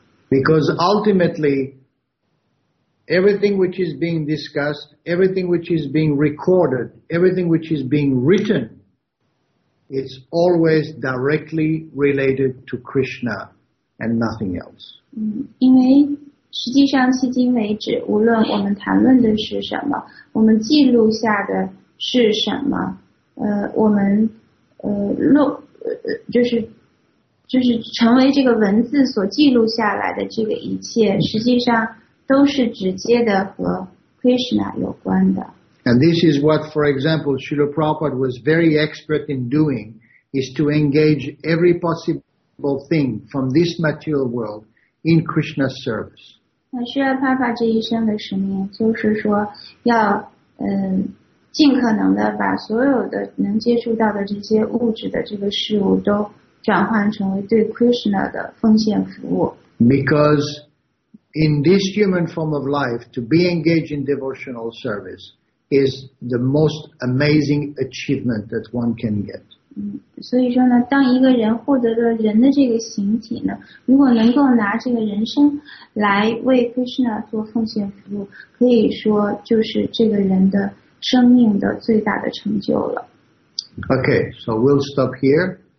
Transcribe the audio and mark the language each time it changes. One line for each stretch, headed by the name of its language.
English: Because ultimately, everything which is being discussed, everything which is being recorded, everything which is being written, it's always directly related to Krishna and nothing else.
Chinese: 因为实际上迄今为止，无论我们谈论的是什么，我们记录下的是什么，我们录就是。就是成为这个文字所记录下来的这个一切，实际上都是直接的和 Krishna 有关的。
English: And this is what, for example, Srila Prabhupada was very expert in doing, is to engage every possible thing from this material world in Krishna's service.
Chinese: 那 Srila Prabhupada 这一生的使命就是说要尽可能的把所有的能接触到的这些物质的这个事物都转换成为对 Krishna 的奉献服务。
English: Because in this human form of life, to be engaged in devotional service is the most amazing achievement that one can get.
Chinese: 所以说呢，当一个人获得了人的这个形体呢，如果能够拿这个人生来为 Krishna 做奉献服务，可以说就是这个人的生命的最大的成就了。
English: Okay, so we'll stop here.